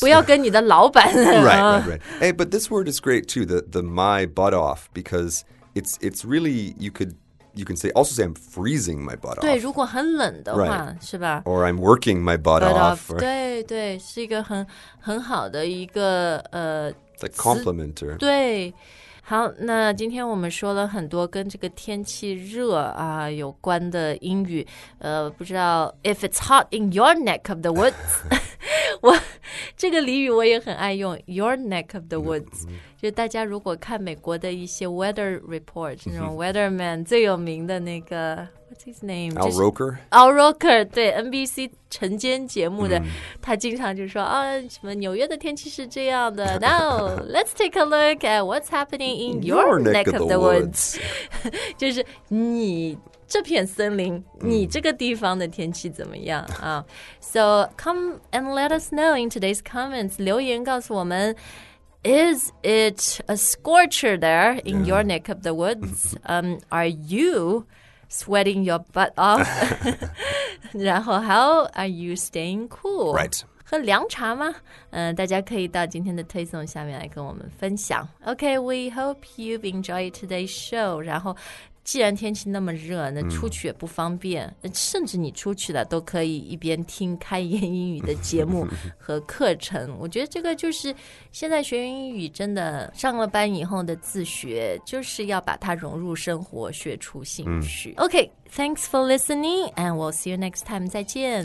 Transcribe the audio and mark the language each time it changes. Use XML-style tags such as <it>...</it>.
<zh>不要跟你的老板</zh> <en>Right. Hey, but this word is great too, the my butt off becauseIt's really, you can also say I'm freezing my butt off.</en> <zh>对,如果很冷的话,是吧?</zh> <en>Or I'm working my butt off. Or,</en> <zh>对,对,是一个很好的一个,</zh> <en>It's a complimenter.</en> <zh>对,好,那今天我们说了很多跟这个天气热啊有关的英语,不知道</zh> <en>if it's hot in your neck of the woods,</en> <zh>我这个俚语我也很爱用</zh> <en>your neck of the woods、</en> <zh>mm-hmm. 就大家如果看美国的一些 weather report 那种 weatherman 最有名的那个</zh> <en>what's his name Al Roker、</en> <zh>就是、Al Roker 对 NBC 晨间节目的、他经常就说、什么纽约的天气是这样的</zh> <en>Now let's take a look at what's happening in your neck of the woods, woods.</en> <zh>就是你这片森林你这个地方的天气怎么样、</zh> <en>So come and let us know in today's comments</en> <zh>留言告诉我们</zh> <en>Is it a scorcher there in、yeah. your neck of the woods? Are you sweating your butt off? 然后 How are you staying cool? Right</en> <zh>喝凉茶吗、大家可以到今天的推送下面来跟我们分享</zh> <en>Okay, we hope you've enjoyed today's show</en> <zh>然后既然天气那么热那出去也不方便、甚至你出去了都可以一边听开言英语的节目和课程我觉得这个就是现在学英语真的上了班以后的自学就是要把它融入生活学出兴趣、</zh> <en>OK, thanks for listening and we'll see you next time</en> <zh>再见</zh>